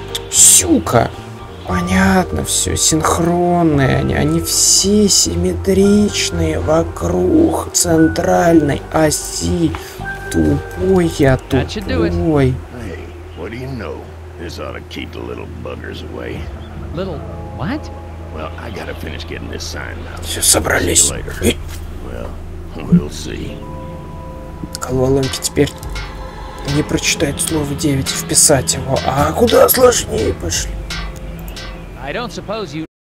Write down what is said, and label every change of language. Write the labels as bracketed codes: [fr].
[ru] Сука! Понятно все, синхронные они. Они все симметричные вокруг центральной оси. Тупой я, тупой. [en] What do you know? This ought to keep the little buggers away. Little what? Well, I gotta finish getting this sign out. [ru] Все собрались. [en] Well, we'll see. [ru] Головоломки теперь не прочитать слово 9, вписать его. А куда сложнее пошли? [en] I don't suppose you...